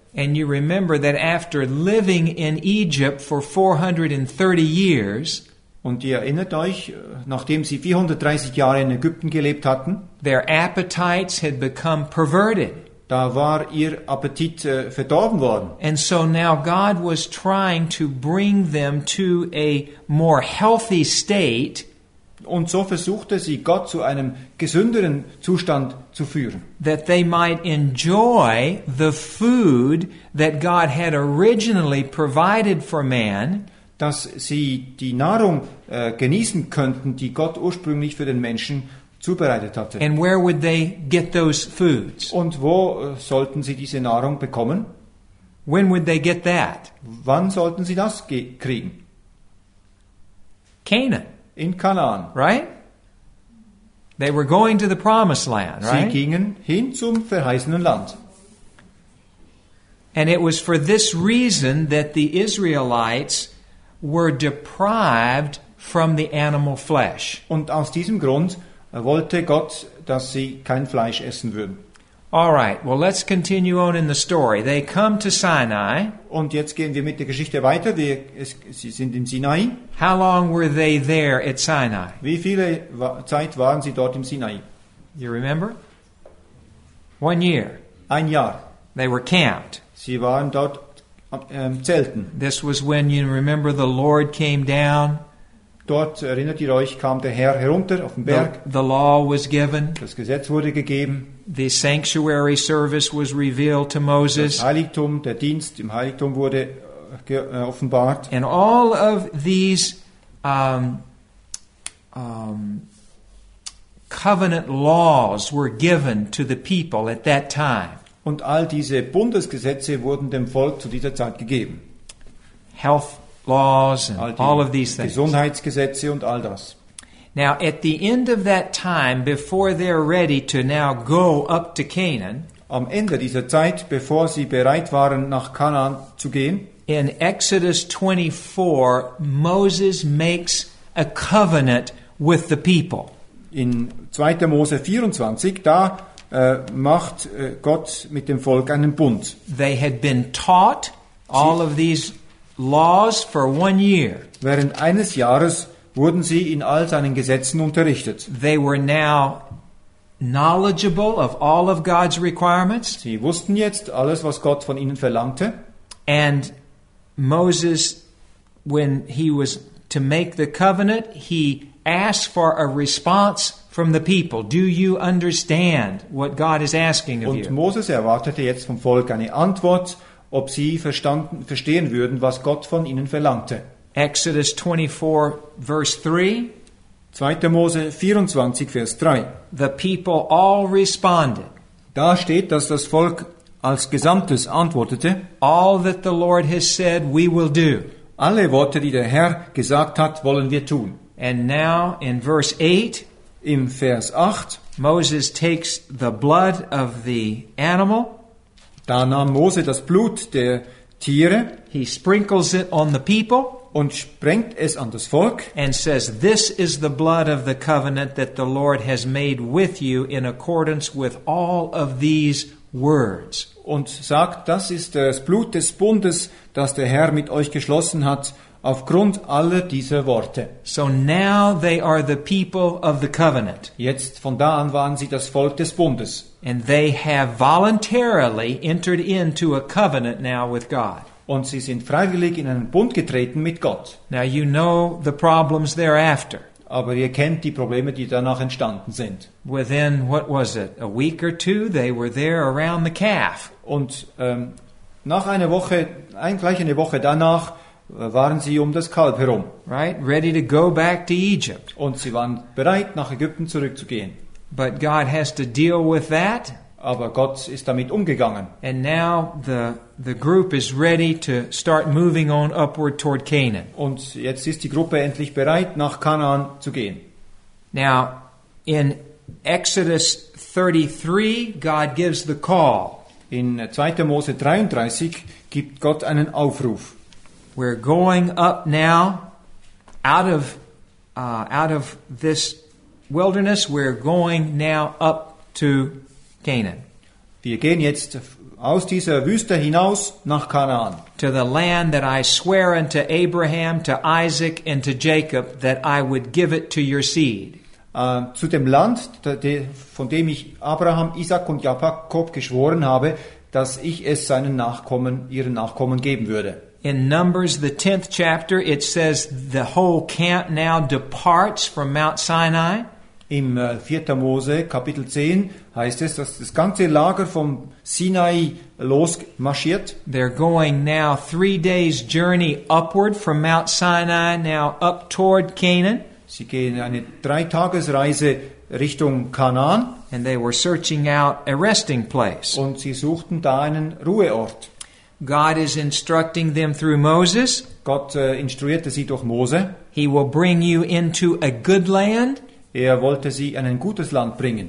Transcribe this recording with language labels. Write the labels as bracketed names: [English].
[English] And you remember that after living in Egypt for 430 years, [German] und ihr erinnert euch, nachdem sie 430 Jahre in Ägypten gelebt hatten, [English] their appetites had become perverted. [German] Da war ihr Appetit verdorben worden. [English] And so now God was trying to bring them to a more healthy state. [German] Und so versuchte sie, Gott zu einem gesünderen Zustand zu führen. [English] That they might enjoy the food that God had originally provided for man. [German] Dass sie die Nahrung genießen könnten, die Gott ursprünglich für den Menschen zubereitet hatte. [English] And where would they get those foods? [German] Und wo sollten sie diese Nahrung bekommen? [English] When would they get that? [German] Wann sollten sie das kriegen? [English] Canaan. [German] In Kanaan. [English] Right? They were going to the promised land, right? [German] Sie gingen hin zum verheißenen Land. [English] And it was for this reason that the Israelites were deprived from the animal flesh. [German] Und aus diesem Grund wollte Gott, dass sie kein Fleisch essen würden. [English] All right, well let's continue on in the story. They come to Sinai. [German] Und jetzt gehen wir mit der Geschichte weiter. Sie sind im Sinai. [English] How long were they there at Sinai? [German] Wie viele Zeit waren sie dort im Sinai? [English] You remember? One year. [German] Ein Jahr. [English] They were camped. [German] Sie waren dort zelten. [English] This was when, you remember, the Lord came down. [German] Dort, erinnert ihr euch, kam der Herr herunter auf den Berg. [English] The law was given. [German] Das Gesetz wurde gegeben. [English] The sanctuary service was revealed to Moses. [German] Das Heiligtum, der Dienst im Heiligtum wurde offenbart. [English] And all of these covenant laws were given to the people at that time. [German] Und all diese Bundesgesetze wurden dem Volk zu dieser Zeit gegeben. [English] Health laws and all of these things. [German] Gesundheitsgesetze und all das. [English] Now at the end of that time, before they're ready to now go up to Canaan, [German] am Ende dieser Zeit, bevor sie bereit waren, nach Kanaan zu gehen, [English] in Exodus 24, Moses makes a covenant with the people. [German] In 2. Mose 24, da macht Gott mit dem Volk einen Bund. [English] They had been taught all of these laws for one year. [German] Während eines Jahres wurden sie in all seinen Gesetzen unterrichtet. [English] They were now knowledgeable of all of God's requirements. [German] Sie wussten jetzt alles, was Gott von ihnen verlangte. [English] And Moses when he was to make the covenant, he asked for a response from the people. Do you understand what God is asking of you? [German] Und Moses erwartete jetzt vom Volk eine Antwort, ob sie verstehen würden, was Gott von ihnen verlangte. [English] Exodus 24, verse 3. [German] 2. Mose 24, Vers 3. [English] The people all responded. [German] Da steht, dass das Volk als Gesamtes antwortete. [English] All that the Lord has said, we will do. [German] Alle Worte, die der Herr gesagt hat, wollen wir tun. [English] And now in verse 8, [German] im Vers 8, [English] Moses takes the blood of the animal. [German] Da nahm Mose das Blut der Tiere. [English] He sprinkles it on the people. [German] Und sprengt es an das Volk. [English] And says, this is the blood of the covenant that the Lord has made with you in accordance with all of these words. [German] Und sagt, das ist das Blut des Bundes, das der Herr mit euch geschlossen hat, aufgrund aller dieser Worte. [English] So now they are the people of the covenant. [German] Jetzt von da an waren sie das Volk des Bundes. [English] And they have voluntarily entered into a covenant now with God. [German] Und sie sind freiwillig in einen Bund getreten mit Gott. [English] Now you know the problems thereafter. [German] Aber ihr kennt die Probleme, die danach entstanden sind. [English] Within, what was it, a week or two, they were there around the calf. [German] Und nach einer Woche, gleich eine Woche danach, waren sie um das Kalb herum. [English] Right, ready to go back to Egypt. [German] Und sie waren bereit, nach Ägypten zurückzugehen. [English] But God has to deal with that. [German] Aber Gott ist damit umgegangen. [English] And now the group is ready to start moving on upward toward Canaan. [German] Und jetzt ist die Gruppe endlich bereit, nach Kanaan zu gehen. [English] Now, in Exodus 33, God gives the call. [German] In 2. Mose 33 gibt Gott einen Aufruf. [English] We're going up now out of this wilderness. We're going now up to Canaan. [German] Wir gehen jetzt aus dieser Wüste hinaus nach Kanaan. [English] To the land that I swear unto Abraham, to Isaac, and to Jacob, that I would give it to your seed. [German] Zu dem Land, von dem ich Abraham, Isaac und Jakob geschworen habe, dass ich es ihren Nachkommen geben würde. [English] In Numbers, the 10th chapter, it says the whole camp now departs from Mount Sinai. [German] Im 4. Mose, Kapitel 10, heißt es, dass das ganze Lager vom Sinai losmarschiert. [English] They're going now 3 days journey upward from Mount Sinai, now up toward Canaan. [German] Sie gehen eine 3-Tages-Reise Richtung Kanaan. [English] And they were searching out a resting place. [German] Und sie suchten da einen Ruheort. [English] God is instructing them through Moses. [German] Gott instruierte sie durch Mose. [English] He will bring you into a good land. [German] Er wollte sie in ein gutes Land bringen.